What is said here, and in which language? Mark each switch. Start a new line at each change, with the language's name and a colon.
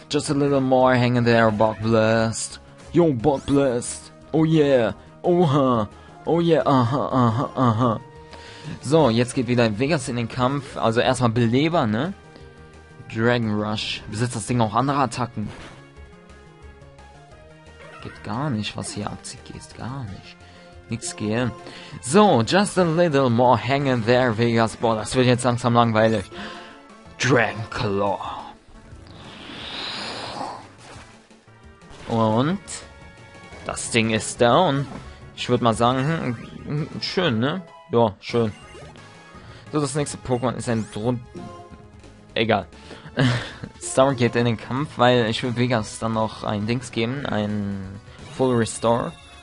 English: Just a little more hanging there, Bugblast. Yo, Bugblast. Oh yeah. Oha. Oh yeah, aha, aha, aha.
German: So, jetzt geht wieder Vegas in den Kampf. Also erstmal Beleber, ne? Dragon Rush. Besitzt das Ding auch andere Attacken? Geht gar nicht, was hier abzieht. Geht gar nicht. Nichts gehen.
English: So, just a little more hanging there, Vegas.
German: Boah, das wird jetzt langsam langweilig. Dragon Claw. Und? Das Ding ist down. Ich würde mal sagen, schön, ne? Ja, schön. So, das nächste Pokémon ist ein Egal. Storm geht in den Kampf, weil ich will Vegas dann noch ein Dings geben, ein Full Restore.